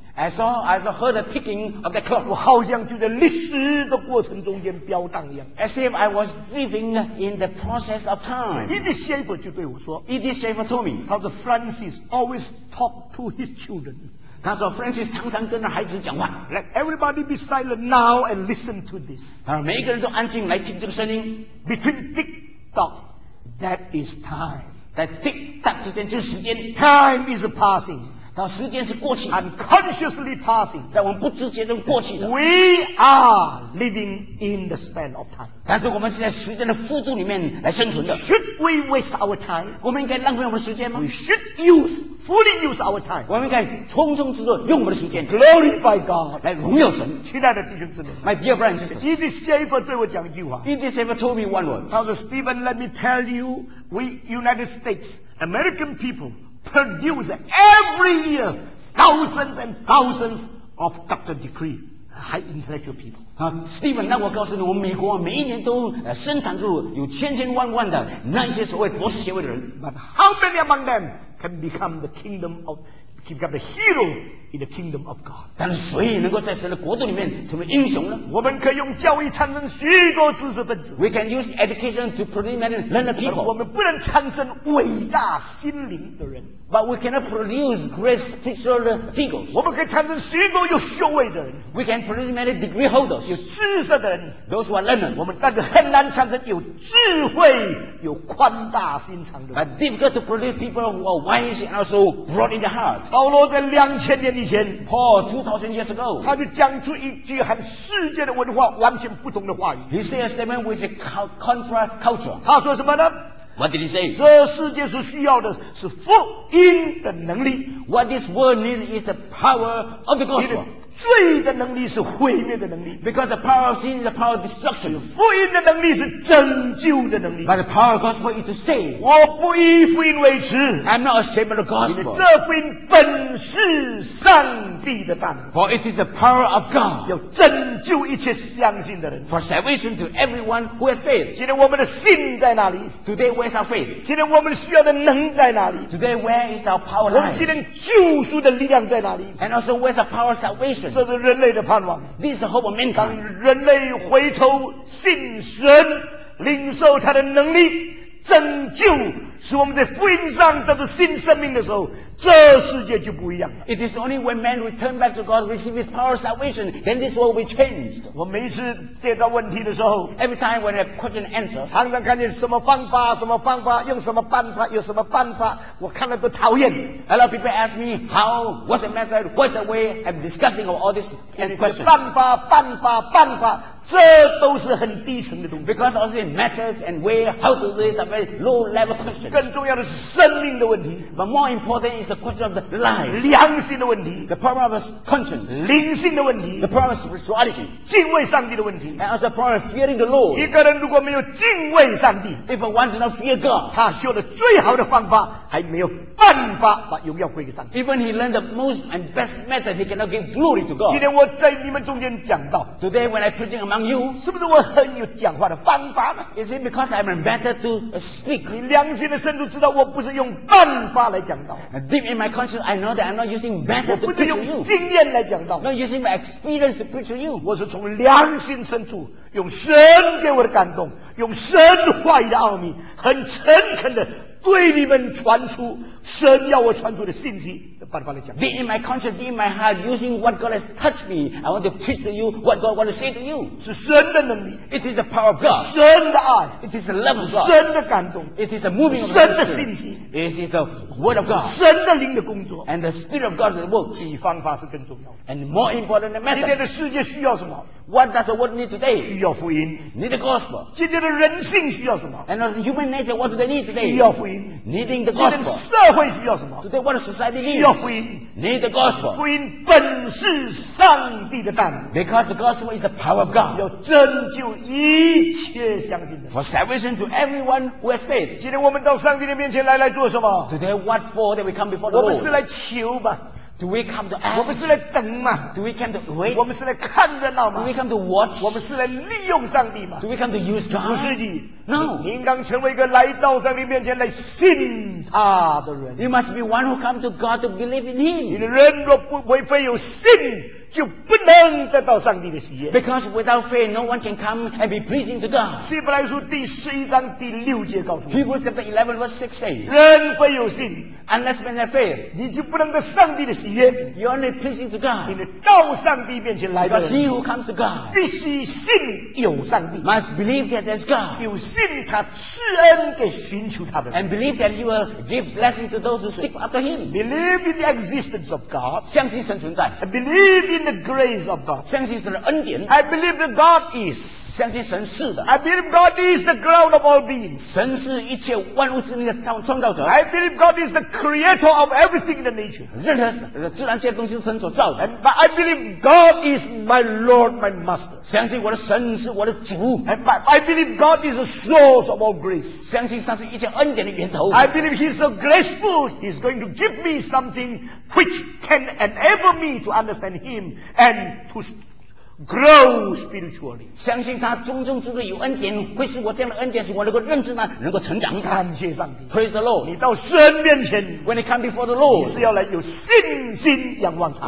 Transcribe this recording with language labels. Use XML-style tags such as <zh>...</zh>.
<en>I saw heard the ticking of the clock.</en> <zh>我好像就在历史的过程中间飘荡一样。</zh> <en>As if I was living in the process of time.</en> <zh>Edith Schaeffer 就对我说。</zh> <en>Edith Schaeffer told me. How the Francis always talked to his children.</en> <zh>他说 ：“Francis 常常跟孩子讲话。</zh> <en>Let everybody be silent now and listen to this。</en> <zh>每一个人都安静来听这个声音。</zh> <en>Between tick tock, that is time。</en> <zh>在 tick tock 之间就是时间。</zh> <en>Time is passing。</en> <zh>那时间是过去。</zh> <en>Unconsciously passing，</en> <zh>在我们不知觉中过去的。</zh> <en>We are living in the span of time。</en> <zh>但是我们是在时间的富足里面来生存的。</zh> <en>Should we waste our time？</en> <zh>我们应该浪费我们的时间吗</zh> <en>？We should use。 Fully use our time.</en> <zh>我们应该充充足足用我们的时间。</zh> <en>Glorify God.</en> <zh>来荣耀神。亲爱的弟兄姊妹。</zh> <en>My dear brothers and</en> <zh>sisters. Edith Schaeffer 对我讲一句话。</zh> <en>Edith Schaeffer told me one word.</en> <zh>他说</zh> <en>,Stephen, let me tell you, we United States, American people, produce every year thousands and thousands of doctor degree, high intellectual people.</en> <zh>Stephen， 那我告诉你，我们美国每一年都生产出有千千万万的那些所谓博士学位的人。</zh> <en>But how many among them can become the kingdom of, become the hero in the kingdom of God？</en> <zh>但是谁能够在神的国度里面成为英雄呢？我们可以用教育产生许多知识分子。</zh> <en>We can use education to produce many learned people。</en> <zh>我们不能产生伟大心灵的人。</zh> <en>But we cannot produce great spiritual figures.</en> <zh>我们可以产生许多有学位的人。</zh> <en>We can produce many degree holders.</en> <zh>有知识的人。</zh> <en>Those who are learned.</en> <zh>我们但是很难产生有智慧、有宽大心肠的人。</zh> <en>But difficult to produce people who are wise and also broad in the heart.</en> <zh>保罗在两千年以前</zh> <en>，Paul 2000 years ago，</en> <zh>他就讲出一句和世界的文化完全不同的话语。</zh> <en>He said a statement which is contra culture.</en> <zh>他说什么呢？</zh> <en>What did he say?</en> <zh>这世界是需要的是福音的能力。</zh> <en>What this world needs is the power of the gospel.</en> <zh>罪的能力是毁灭的能力。</zh> <en>Because the power of sin is the power of destruction.</en> <zh>福音的能力是拯救的能力。</zh> <en>But the power of gospel is to save.</en> <zh>我不以福音为耻。</zh> <en>I'm not ashamed of the gospel.</en> <zh>这福音本是上帝的大能。</zh> <en>For it is the power of God.</en> <zh>要拯救一切相信的人。</zh> <en>For salvation to everyone who has faith.</en> <zh>今天我们的信在哪里？</zh> <en>Today where is our faith?</en> <zh>今天我们需要的能在哪里？</zh> <en>Today where is our power?</en> <zh>我们今天救赎的力量在哪里？</zh> <en>And also where is the power of salvation?</en> <zh>这是人类的盼望。</zh> <en>This is the hope of mankind.</en> <zh>当人类回头信神，领受他的能力拯救，使我们在福音上得到新生命的时候，这世界就不一样了。</zh> <en>It is only when man return back to God, receive His power of salvation, then this world will be changed.</en> <zh>我每一次接到问题的时候</zh> <en>，Every time when a question answers,</en> <zh>常常看见什么方法、什么方法、用什么办法、有什么办法，我看了都讨厌。</zh> <en>A lot of people ask me how, what's the method, what's the way, I'm discussing all this question.</en> <zh>办法、办法、办法，这都是很低层的东西。</zh> <en>Because also in methods and way, how to do it, are very low level questions.</en> <zh>更重要的是生命的问题</zh> <en>，but more important. Is the question of the life,</en> <zh>良心的问题</zh> <en>the problem of the conscience,</en> <zh>灵性的问题</zh> <en>the problem of spirituality,</en> <zh>敬畏上帝的问题</zh> <en>and also the problem of fearing the Lord.</en> <zh>一个人如果没有敬畏上帝</zh> <en>if one does not fear God,</en> <zh>他修的最好的方法还没有办法把荣耀归给上帝</zh> <en>even he learned the most and best method, he cannot give glory to God.</en> <zh>今天我在你们中间讲到</zh> <en>today when I preaching among you,</en> <zh>是不是我很有讲话的方法呢</zh> <en>is it because I'm better to speak?</en> <zh>你良心的深度知道我不是用办法来讲道</zh> <en>Deep in my conscience, I know that I'm not using method to preach to you.</en> <zh>我不是用经验来讲道。</zh> <en>Not using my experience to preach to you.</en> <zh>我是从良心深处，用神给我的感动，用神话语的奥秘，很诚恳的对你们传出神要我传出的信息，把它放在讲。</zh> <en>Be in my conscience, in my heart, using what God has touched me. I want to preach to you what God wants to say to you.</en> <zh>是神的能力。</zh> <en>It is the power of God.</en> <zh>神的爱。</zh> <en>It is the love of God.</en> <zh>神的感动。</zh> <en>It is the moving of God.</en> <zh>神的信息。</zh> <en>It is the word of God.</en> <zh>神的灵的工作。</zh> <en>And the spirit of God that works.</en> <zh>比方法是更重要的。</zh> <en>And more important than method.</en> <zh>今天的世界需要什么？</zh> <en>What does the world need today?</en> <zh>需要福音。</zh> <en>Need the gospel.</en> <zh>今天的人性需要什么？</zh> <en>And human nature, what do they need today?</en> <zh>需要福音。</zh> <en>Needing the gospel.</en> <zh>今天社会需要什么？</zh> <en>Today, what does society need?</en> <zh>需要福音。</zh> <en>Need the gospel.</en> <zh>福音本是上帝的大能。</zh> <en>Because the gospel is the power of God.</en> <zh>要拯救一切相信的。</zh> <en>For salvation to everyone who has faith.</en> <zh>今天我们到上帝的面前来做什么？</zh> <en>Today, what for that we come before the Lord?</en> <zh>我们是来求吧。</zh> <en>Do we come to ask?</en> <zh>我们是来等嘛。</zh> <en>Do we come to wait?</en> <zh>我们是来看热闹嘛。</zh> <en>Do we come to watch?</en> <zh>我们是来利用上帝嘛。</zh> <en>Do we come to use God?</en> <zh>不是的。</zh> <en>No.</en> <zh>你应当成为一个来到上帝面前来信他的人。</zh> <en>You must be one who comes to God to believe in Him.</en> <zh>你的人若不违背有信，就不能得到上帝的喜悦。</zh> <en>Because without faith, no one can come and be pleasing to God.</en> <zh>希伯来书第十一章第六节告诉我们。</zh> <en>Hebrews chapter 11 verse 6 says,</en> <zh>人非有信。</zh> <en>Unless man have faith,</en> <zh>你就不能得上帝的喜悦。</zh> <en>You are only pleasing to God.</en> <zh>你到上帝面前来的。</zh> <en>Because he who comes to God,</en> <zh>必须信有上帝。</zh> <en>Must believe that there's God.</en> <zh>有信他赐恩给寻求他的人。</zh> <en>And believe that he will give blessing to those who seek after him. Believe in the existence of God.</en> <zh>相信神存在。</zh> <en>And believe in the grace of God.</en> <zh>相信神的恩典。</zh> <en>I believe that God is.</en> <zh>相信神是的。</zh> <en>I believe God is the ground of all beings.</en> <zh>神是一切万物之灵的创造者。</zh> <en>I believe God is the creator of everything in the nature.</en> <zh>任何自然界东西都神所造的。</zh> <en>And, but I believe God is my Lord, my Master.</en> <zh>相信我的神是我的主。</zh> <en>And, but I believe God is the source of all grace.</en> <zh>相信他是一切恩典的源头。</zh> <en>I believe He is so graceful. He's going to give me something which can enable me to understand Him and to. Grow spiritually.</en> <zh>相信他忠忠实实有恩典，会使我这样的恩典使我能够认识他，能够成长。感谢上帝。</zh> <en>Praise the Lord.</en> <zh>你到神面前</zh> <en>，When you come before the Lord，</en> <zh>你是要来有信心仰望他。</zh>